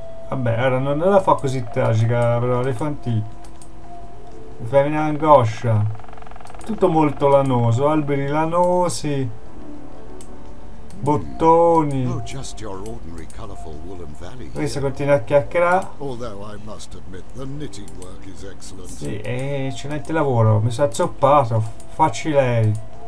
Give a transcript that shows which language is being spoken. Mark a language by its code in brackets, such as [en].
[it] Vabbè, ora non la fa così tragica, però elefanti mi fa venire angoscia. Tutto molto lanoso, alberi lanosi, bottoni. [en] Oh, just your ordinary colorful woolen valley. [it] Questa continua a chiacchierare. [en] Although I must admit the knitting work is excellent. [it] Sì, ce n'è di lavoro, mi sono azzoppato, facci lei.